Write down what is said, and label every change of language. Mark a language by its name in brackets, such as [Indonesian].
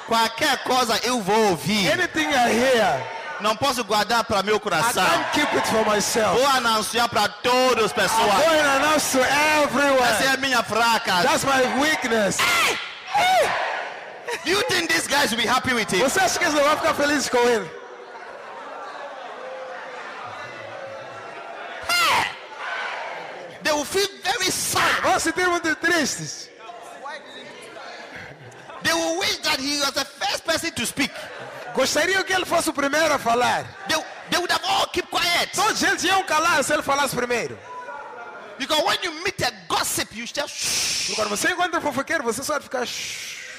[Portuguese] Qualquer coisa eu vou ouvir. [English] Anything I hear. [Portuguese] Não posso guardar para meu coração. [English] I can't keep it for myself. [Portuguese] Vou anunciar para todas as pessoas. [English] I'm going to announce to everyone. [Portuguese] Essa é minha fraca. [English] That's my weakness. Do you think these guys will be happy with it? [Portuguese] Você acha que eles vão ficar felizes com ele? [English] They will feel very sad. [Portuguese] Vão sentir muito tristes. [English] They will wish that he was the first person to speak. [Portuguese] Gostaria que ele fosse o primeiro a falar. [English] They would have all keep quiet. [Portuguese] Todos eles iam calar se ele falasse primeiro. [English] Because when you meet a gossip, you just shh. [Portuguese] Quando você encontra um fofoqueiro, você só fica shh.